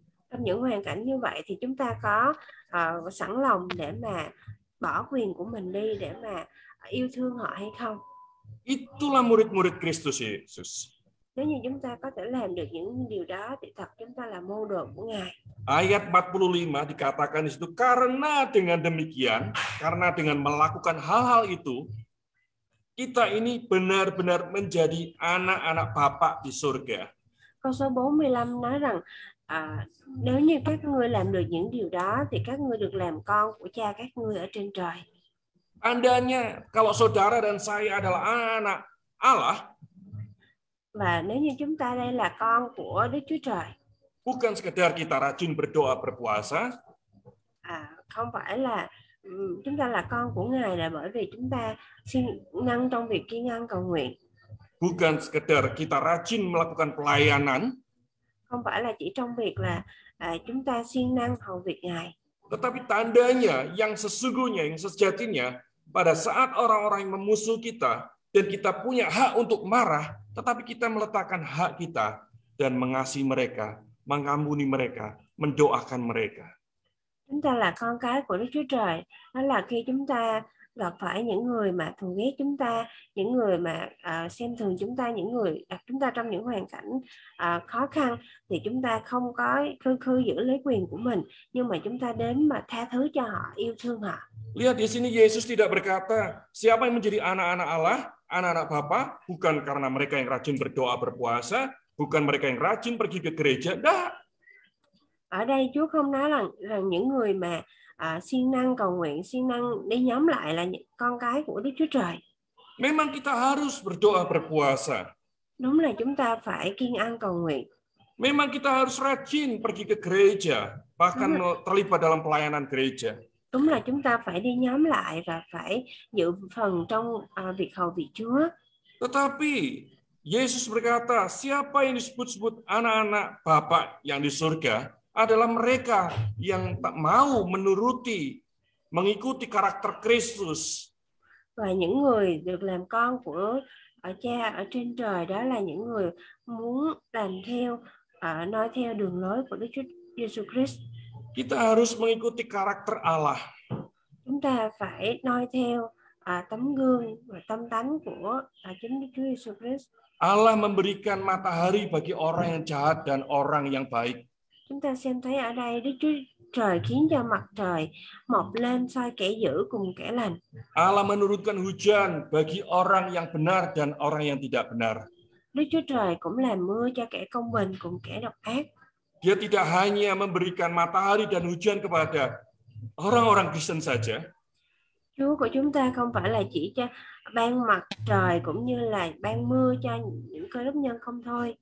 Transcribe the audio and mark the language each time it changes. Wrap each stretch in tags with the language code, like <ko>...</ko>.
<vi>Trong những hoàn cảnh như vậy thì chúng ta có sẵn lòng để mà bỏ quyền của mình đi để mà yêu thương họ hay không?</vi> <id>Itulah murid-murid Kristus Yesus.</id> <vi>Nếu như chúng ta có thể làm được những điều đó thì thật chúng ta là môn đồ của Ngài.</vi> <id>Ayat 45 dikatakan di situ, karena dengan demikian, karena dengan melakukan hal-hal itu, kita ini benar-benar menjadi anak-anak Bapa di surga.</id> <vi>Câu số 45 nói rằng nếu như các ngươi làm được những điều đó thì các ngươi được làm con của cha các ngươi ở trên trời.</vi> <id>Andanya kalau saudara dan saya adalah anak Allah,</id> <vi>Và nếu như chúng ta đây là con của Đức Chúa Trời,</vi> <id>bukan sekedar kita rajin berdoa berpuasa,</id> <vi>không phải là chúng ta là con của Ngài là bởi vì chúng ta siêng năng trong việc kiêng ăn cầu nguyện,</vi> <id>bukan sekedar kita rajin melakukan pelayanan,</id> <vi>không phải là chỉ trong việc là chúng ta siêng năng hầu việc Ngài.</vi> <id>Tetapi tandanya yang sesungguhnya, yang sejatinya, pada saat orang-orang yang memusuhi kita, dan kita punya hak untuk marah, tetapi kita meletakkan hak kita, dan mengasihi mereka, mengampuni mereka, mendoakan mereka.</id> <vi>Chúng ta là con cái của Đức Chúa Trời, đó là khi chúng ta gặp phải những người mà thù ghét chúng ta, những người mà xem thường chúng ta, những người đặt chúng ta trong những hoàn cảnh khó khăn, thì chúng ta không có khư khư giữ lấy quyền của mình, nhưng mà chúng ta đến mà tha thứ cho họ, yêu thương họ.</vi> <id>Lihat di sini Yesus tidak berkata siapa yang menjadi anak-anak Allah, anak-anak Bapa, bukan karena mereka yang rajin berdoa berpuasa, bukan mereka yang rajin pergi ke gereja. Tidak.</id> <vi>Ở đây Chúa không nói rằng những người mà siêng năng cầu nguyện, siêng năng đi nhóm lại là những con cái của Đức Chúa Trời.</vi> <id>Memang kita harus berdoa berpuasa.</id> <vi>Đúng là chúng ta phải kiêng ăn cầu nguyện.</vi> <id>Memang kita harus rajin pergi ke gereja, bahkan terlibat dalam pelayanan gereja.</id> <vi>Đúng là chúng ta phải đi nhóm lại và phải giữ phần trong việc hầu việc Chúa.</vi> <id>Tetapi Yesus berkata, siapa yang disebut-sebut anak-anak Bapa yang di surga adalah mereka yang tak mau menuruti, mengikuti karakter Kristus.</id> <vi>Và những người được làm con của cha ở trên trời đó là những người muốn làm theo, nói theo đường lối của Đức Chúa Jesus Christ.</vi> <id>Kita harus mengikuti karakter Allah.</id> <vi>Chúng ta phải noi theo tấm gương và tâm tánh của chính Đức Chúa Jesus Christ.</vi> <id>Allah memberikan matahari bagi orang yang jahat dan orang yang baik.</id> <vi>Chúng ta xem thấy ở đây Đức Chúa Trời khiến cho mặt trời mọc lên soi kẻ dữ cùng kẻ lành.</vi> <id>Allah menurunkan hujan bagi orang yang benar dan orang yang tidak benar.</id> <vi>Đức Chúa Trời cũng làm mưa cho kẻ công bình cùng kẻ độc ác.</vi> <id>Dia tidak hanya memberikan matahari dan hujan kepada orang-orang Kristen saja.</id> <vi>Chúa của chúng ta không phải là chỉ cho ban mặt trời cũng như là ban mưa cho những cơ đốc nhân không thôi.</vi>